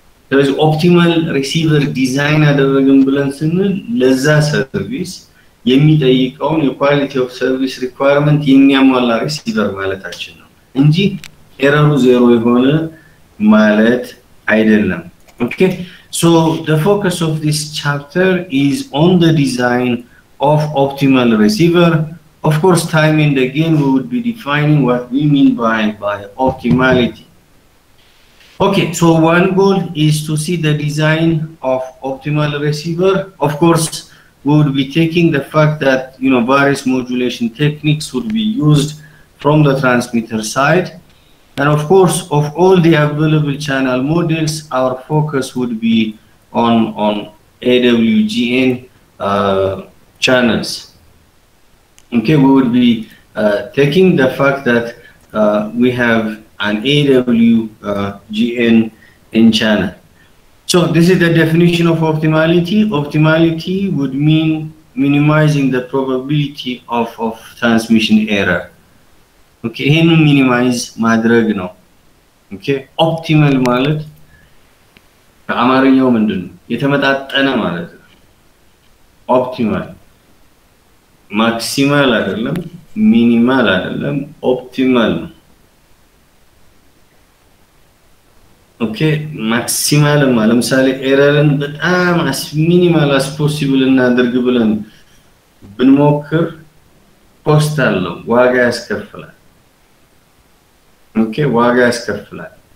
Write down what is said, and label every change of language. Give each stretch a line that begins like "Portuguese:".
Amharic: ስለዚህ ኦፕቲማል ሪሲቨር ዲዛይን አደረግን ብለን ስንል ለዛ ሰርቪስ የሚጠይቀውን የኳሊቲ ኦፍ ሰርቪስ ሪኳየርመንት የሚያሟላ ሪሲቨር ማለታችን ነው እንጂ ኤረሩ ዜሮ የሆነ ማለት አይደለም። ኦኬ?
English: So the focus of this chapter is on the design of optimal receiver. Of course, time and again, we would be defining what we mean by optimality. Okay, so one goal is to see the design of optimal receiver. Of course, we would be taking the fact that, you know, various modulation techniques would be used from the transmitter side. And of course, of all the available channel models, our focus would be on AWGN channels. Okay, we would be taking the fact that we have an AWGN in channel. So this is the definition of optimality. Optimality would mean minimizing the probability of transmission error.
Amharic: ኦኬ ይሄን ሚኒማይዝ ማድረግ ነው። ኦኬ ኦፕቲማል ማለት በአማርኛው ምንድነው? የተመጣጠነ ማለት ነው። ኦፕቲማል ማክሲማል አይደለም ሚኒማል አይደለም ኦፕቲማል። ኦኬ ማክሲማል ማለት ለምሳሌ ኤረርን በጣም
English: አስ ሚኒማል አስ ፖሲብል
Amharic: እናድርግ ብለን ብንሞክር ኮስት አለው ዋጋ ያስከፍላል። Okay, waga yaskeflal.